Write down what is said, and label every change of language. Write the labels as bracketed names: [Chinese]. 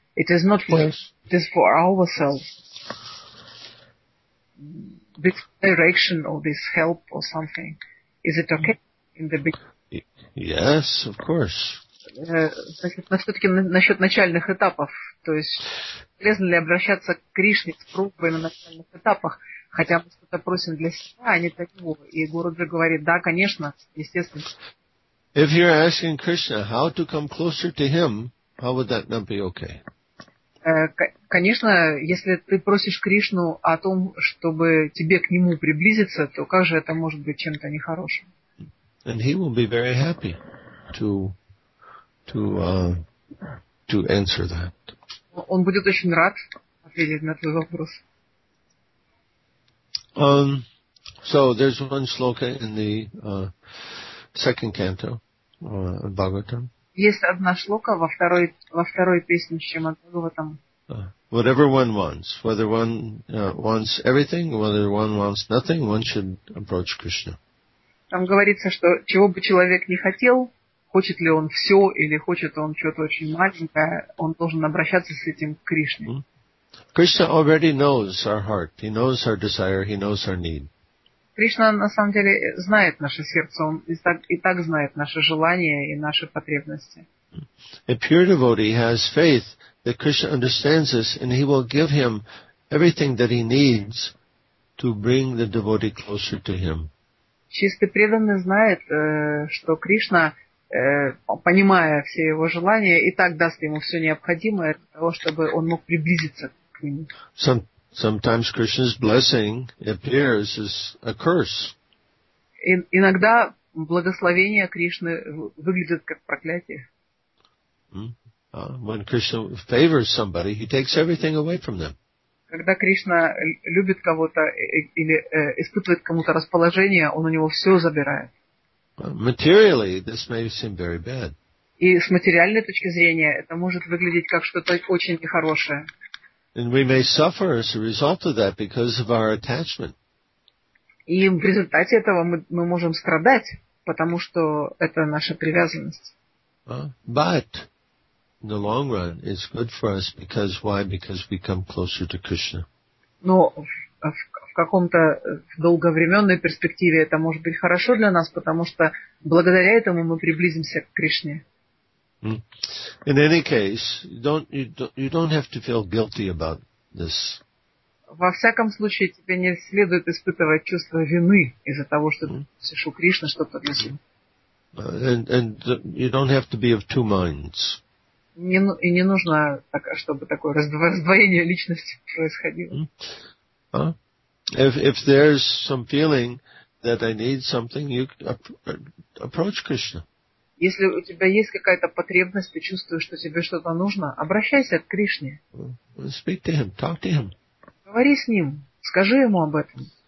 [English] It is not for us, it is for ourselves. This direction or this help or something, is it okay in the beginning? Yes, of course. [Russian] Значит, мы все-таки насчет начальных этапов, то есть полезно ли обращаться к Кришне с просьбой на начальных этапах, хотя мы что-то просим для себя, а не для него. И Гуруджи говорит, да, конечно, естественно. [English] If you're asking Krishna how to come closer to him, how would that not be okay? [Russian] Конечно, если ты просишь Кришну о том, чтобы тебе к нему приблизиться, то как же это может быть чем-то нехорошим? [English] And he will be very happy to answer that. [Russian] Он будет очень рад ответить на твой вопрос. [English] So there's one shloka in the second canto of Bhagavatam. [Russian] Есть одна шлока во второй песне Шримад Бхагаватам. [English] Whatever one wants, whether one wants everything, whether one wants nothing, one should approach Krishna. [Russian] Там говорится, что чего бы человек ни хотел, хочет ли он все или хочет он что-то очень маленькое, он должен обращаться с этим к Кришне. [English] Krishna already knows our heart. He knows our desire. He knows our need. [Russian] Кришна на самом деле знает наше сердце. Он и так знает наши желания и наши потребности. [English] A pure devotee has faith that Krishna understands this, and he will give him everything that he needs to bring the devotee closer to him. [Russian] Чистый преданный знает, что Кришна, понимая все его желания, и так даст ему все необходимое для того, чтобы он мог приблизиться к нему. [English] Sometimes Krishna's blessing appears as a curse. [Russian] Иногда благословение Кришны выглядит как проклятие. [English] When Krishna favors somebody, he takes everything away from them. [Russian] Когда Кришна любит кого-то или испытывает кому-то расположение, он у него все забирает. [English] Materially, this may seem very bad. [Russian] И с материальной точки зрения это может выглядеть как что-то очень нехорошее. [English] And we may suffer as a result of that because of our attachment. [Russian] И в результате этого мы можем страдать, потому что это наша привязанность. [English] But in the long run, it's good for us because why? Because we come closer to Krishna. [Russian] Но в каком-то долговременной перспективе это может быть хорошо для нас, потому что благодаря этому мы приблизимся к Кришне. [English] In any case, you don't have to feel guilty about this. [Russian] Во всяком случае, тебе не следует испытывать чувство вины из-за того, что ты слышал Кришна что-то для себя. [English] And you don't have to be of two minds. [Russian] И не нужно, чтобы такое раздвоение личности происходило. [English] If there's some feeling that I need something, you approach Krishna. [Russian] Если у тебя есть какая-то потребность, ты чувствуешь, что тебе что-то нужно, обращайся к Кришне. [English] Speak to him, talk to him. [Russian] Говори с ним, скажи ему об этом.